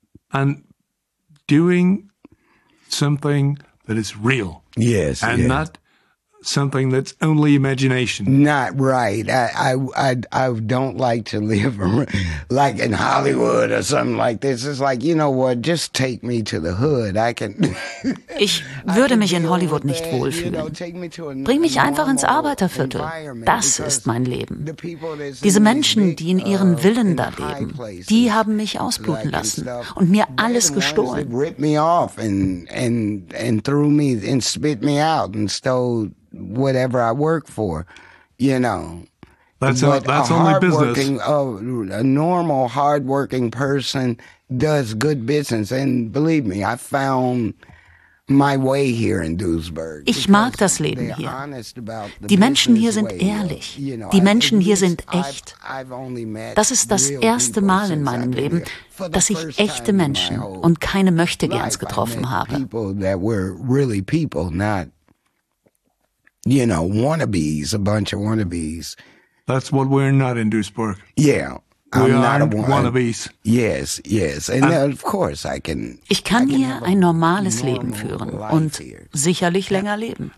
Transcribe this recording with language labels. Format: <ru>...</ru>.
<en>And doing something that is real. Yes. And not something that's only imagination. Not right. I don't like to live like in Hollywood or something like this. It's like, you know what, just take me to the hood. I can</en> <de>Ich würde mich in Hollywood nicht wohlfühlen. Bring mich einfach ins Arbeiterviertel. Das ist mein Leben. Diese Menschen, die in ihren Villen da leben, die haben mich ausbluten lassen und mir alles gestohlen.</de> <en>Ripped me off and threw me and spit me out and stole whatever I work for, you know. That's only business. A normal, hardworking person does good business. And believe me, I found my way here in Duisburg.</en> <de>Ich mag das Leben hier. Die Menschen hier sind ehrlich. Die Menschen hier sind echt. Das ist das erste Mal in meinem Leben, dass ich echte Menschen und keine Möchtegerns getroffen habe.</de> <en>People that were really people, not wannabes, a bunch of wannabes. That's what we're not in Duisburg. Yeah, wannabes. Yes, yes. And of course I can.</en> <de>Ich kann hier ein normales Leben führen und sicherlich länger leben.</de>